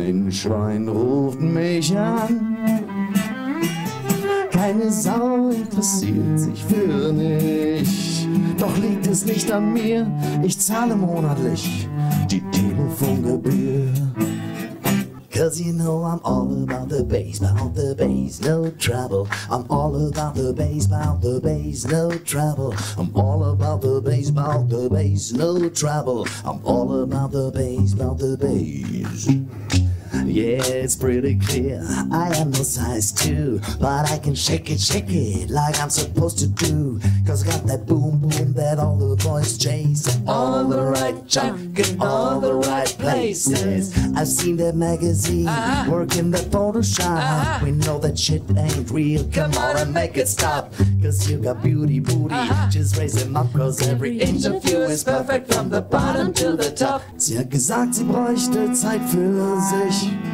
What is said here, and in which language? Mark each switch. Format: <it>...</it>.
<de>Schwein ruft mich an, keine Sau interessiert sich für mich. Doch liegt es nicht an mir, ich zahle monatlich die Telefongebühr.</de> <en>Cause you know I'm all about the bass, about the bass, no trouble. I'm all about the bass, about the bass, no trouble. I'm all about the bass, about the bass, no trouble. I'm all about the bass, about the bass. Yeah, it's pretty clear, I am no size 2, but I can shake it, like I'm supposed to do. Cause I got that boom boom that all the boys chase, all the right junk in all the right places. I've seen that magazine, work in that Photoshop, we know that shit ain't real, come on and make it stop. Cause you got beauty booty, just raise them up, cause every inch of you is perfect from the bottom till the top.</en> <de>Sie hat gesagt, sie bräuchte Zeit für sich.</de>